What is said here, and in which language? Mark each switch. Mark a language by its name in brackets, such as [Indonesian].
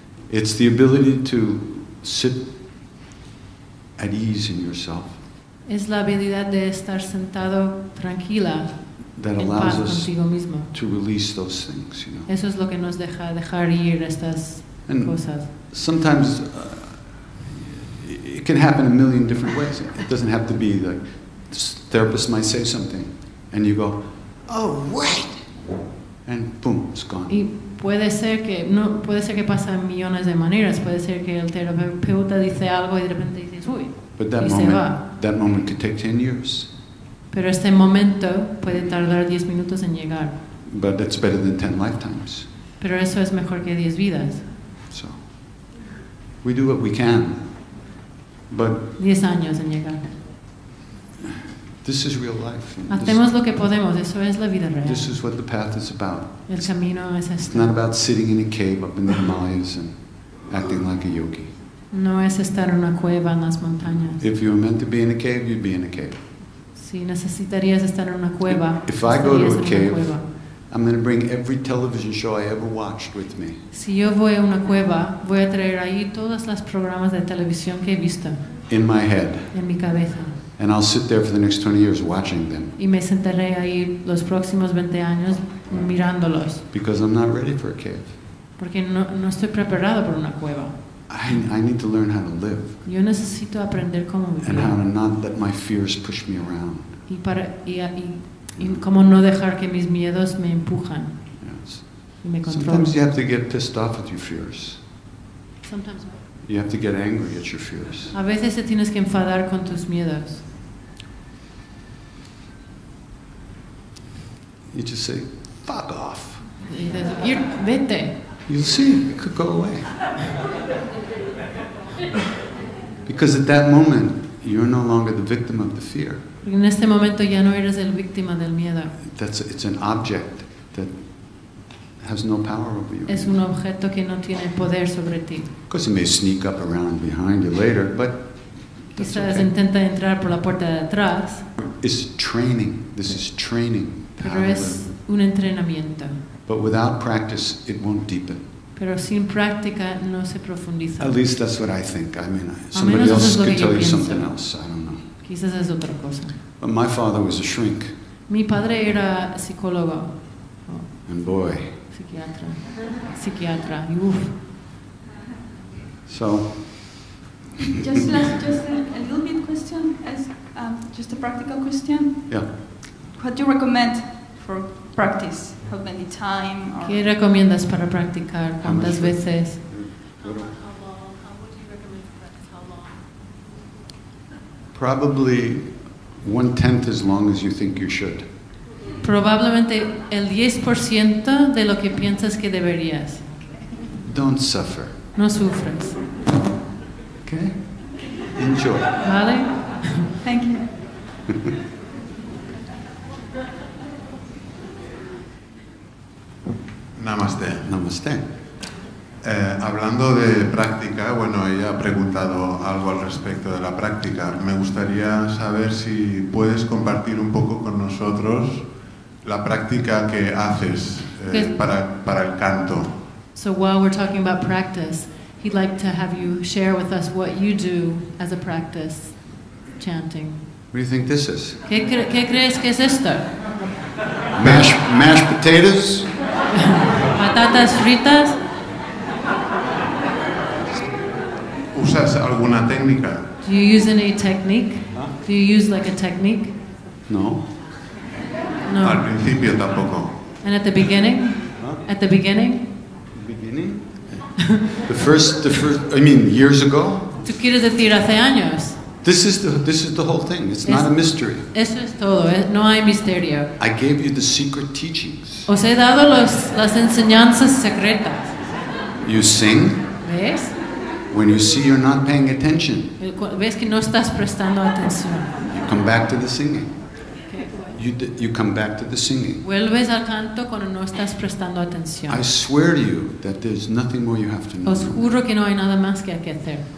[English] It's the ability to sit at ease in yourself. [Spanish] Es la habilidad de estar sentado tranquila. [English] that allows us to release those things, you know. [Spanish] Eso es lo que nos deja dejar ir estas [English] and [Spanish] cosas. [English] Sometimes it can happen a million different ways. It doesn't have to be like the therapist might say something and you go, oh, right! And boom, it's gone. [Spanish] Y puede ser que, no, puede ser que pasa millones de maneras. Puede ser que el terapeuta dice algo y de repente dices, uy, [English] but that moment, that moment could take 10 years. [Spanish] Pero este momento puede tardar 10 minutos en llegar. [English] But that's better than 10 lifetimes. [Spanish] Pero eso es mejor que 10 vidas. [English] So, we do what we can. But [Spanish] 10 años en llegar. [English] This is real life. [Spanish] Hacemos lo que podemos. Eso es la vida real. [English] This is what the path is about. [Spanish] El camino es esto. [English] It's not about sitting in a cave up in the Himalayas and acting like a yogi. [Spanish] No es estar en una cueva en las montañas. [English] If you were meant to be in a cave, you'd be in a cave. [Spanish] Si necesitarías estar en una cueva, [English] if I go to a cave, I'm going to bring every television show I ever watched with me. [Spanish] Si yo voy a una cueva, voy a traer ahí todos los programas de televisión que he visto. [English] In my head. [Spanish] En mi cabeza. [English] And I'll sit there for the next 20 years watching them. [Spanish] Y me sentaré ahí los próximos 20 años mirándolos. [English] Because I'm not ready for a cave. [Spanish] Porque no estoy preparado para una cueva. [English] I need to learn how to live. [Spanish] Yo necesito aprender cómo vivir. [English] And how to not let my fears push me around. [Spanish] Y para y cómo no dejar que mis miedos me empujan. [English] Yes. [Spanish] Y me controlen. [English] Sometimes you have to get pissed off at your fears. Sometimes. You have to get angry at your fears. [Spanish] A veces te tienes que enfadar con tus miedos. [English] You just say, "Fuck off." [Spanish] Y dices, vete. [English] You'll see, it could go away. Because at that moment, you're no longer the victim of the fear. [Spanish] En este momento ya no eres el víctima del miedo. [English] It's an object that has no power over you. [Spanish] Es un objeto que no tiene poder sobre ti. [English] Because it may sneak up around behind you later, but that's okay. [Spanish] Quizás intenta entrar por la puerta de atrás. [English] It's training. This is training. [Spanish] Pero es un entrenamiento. [English] But without practice, it won't deepen. [Spanish] Pero sin práctica, no se profundiza. [English] At least that's what I think. I mean, somebody else could tell you something else. I don't know. [Spanish] Quizás es otra cosa. [English] But my father was a shrink. [Spanish] Mi padre era psicólogo. [English] And boy. [Spanish] Psiquiatra. Psiquiatra. Uf. [English] So. just a little bit question. Just a practical question. Yeah. What do you recommend for practice? How many time? Or [Spanish] ¿qué recomiendas para practicar? ¿Cuántas veces? [English] How long would you recommend to practice? How long? Probably 1/10 as long as you think you should. [Spanish] Probablemente el 10% de lo que piensas que deberías. [English] Don't suffer. [Spanish] No sufres. [English] Okay? Enjoy. [Spanish] ¿Vale? [English] Thank you. Namaste. Namaste. [Spanish] Hablando de práctica, bueno, ella ha preguntado algo al respecto de la práctica. Me gustaría saber si puedes compartir un poco con nosotros la práctica que haces para el canto. [English] So while we're talking about practice, he'd like to have you share with us what you do as a practice chanting. What do you think this is? [Spanish] ¿Qué crees que es esto? [English] Mashed potatoes? [Spanish] Patatas fritas? ¿Usas alguna técnica? [English] Do you use any technique? Do you use like a technique? No. No. [Spanish] Al principio tampoco. [English] And at the beginning? Huh? At the beginning? Beginning? The first. I mean, years ago. [Spanish] ¿Tú quieres decir hace años? [English] This is the whole thing. It's not a mystery. [Spanish] Eso es todo. No hay misterio. [English] I gave you the secret teachings. [Spanish] Os he dado las enseñanzas secretas. [English] You sing. [Spanish] ¿Ves? [English] When you see you're not paying attention. [Spanish] ¿Ves que no estás prestando atención? [English] You come back to the singing. You come back to the singing. [Spanish] Vuelves al canto cuando no estás prestando atención. [English] I swear to you that there's nothing more you have to know. [Spanish] Os juro que no hay nada más que hay que hacer.